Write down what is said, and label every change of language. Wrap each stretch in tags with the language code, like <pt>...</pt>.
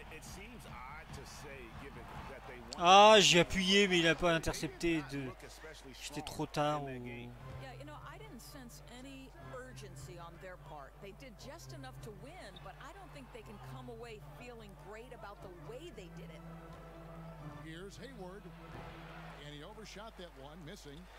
<en>It seems odd to say, given that they won.</en> <fr>Ah, j'ai appuyé, mais il a pas intercepté. De... J'étais trop tard. Ou...</fr> <en>Yeah, you know, I didn't sense any urgency on their part. They did just enough to win, but I don't think they can come away feeling great about the way they did it. Here's Hayward, and he overshot that one, missing.</en>